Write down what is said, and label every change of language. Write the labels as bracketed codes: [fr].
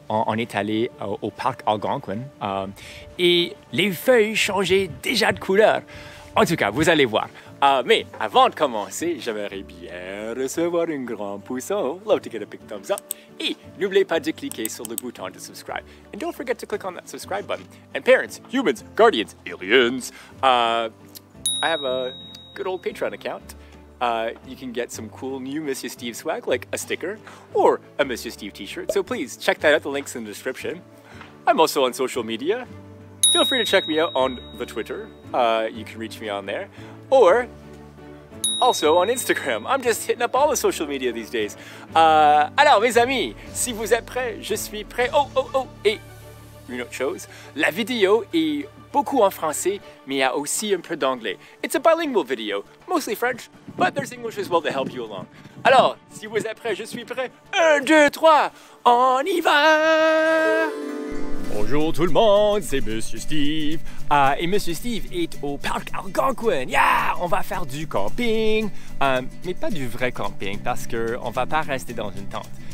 [fr] On est allé au parc Algonquin. Et les feuilles changeaient déjà de couleur. En tout cas, vous allez voir. Mais avant de commencer, j'aimerais bien recevoir un grand pouce en haut. [en] Love to get a big thumbs up. [fr] Et n'oubliez pas de cliquer sur le bouton de subscribe. [en] And don't forget to click on that subscribe button. And parents, humans, guardians, aliens, I have a good old Patreon account. You can get some cool new Monsieur Steve swag, like a sticker or a Monsieur Steve t-shirt. So please check that out. The link's in the description. I'm also on social media. Feel free to check me out on the Twitter. You can reach me on there. Or also on Instagram. I'm just hitting up all the social media these days. [fr] Alors, mes amis, si vous êtes prêts, je suis prêt. Oh, oh, oh, et une autre chose. La vidéo est beaucoup en français, mais il y a aussi un peu d'anglais. [en] It's a bilingual video, mostly French, but there's English as well to help you along. [fr] Alors, si vous êtes prêts, je suis prêt. Un, deux, trois, on y va! Bonjour tout le monde, c'est Monsieur Steve. Et Monsieur Steve est au parc Algonquin. Yeah! On va faire du camping. Mais pas du vrai camping parce qu'on va pas rester dans une tente.